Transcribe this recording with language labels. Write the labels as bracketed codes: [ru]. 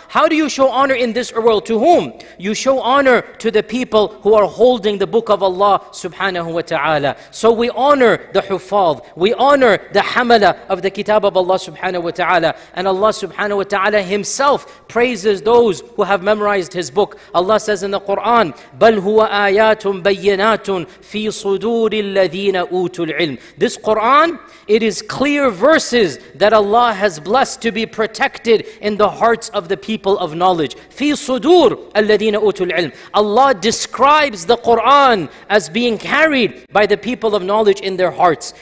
[en] How do you show honor in this world? To whom? You show honor to the people who are holding the book of Allah subhanahu wa ta'ala. So we honor the huffaz, we honor the hamala of the kitab of Allah subhanahu wa ta'ala, and Allah subhanahu wa ta'ala himself praises those who have memorized his book. Allah says in the Quran, [ar] بَلْ هُوَ آيَاتٌ بَيِّنَاتٌ فِي صُدُورِ الَّذِينَ أُوتُوا الْعِلْمِ. [en] This Quran, it is clear verses that Allah has blessed to be protected in the hearts of the people of knowledge. [ar] فِي صُدُورِ الَّذِينَ أُوتُوا الْعِلْمِ. [en] Allah describes the Quran as being carried by the people of knowledge in their hearts.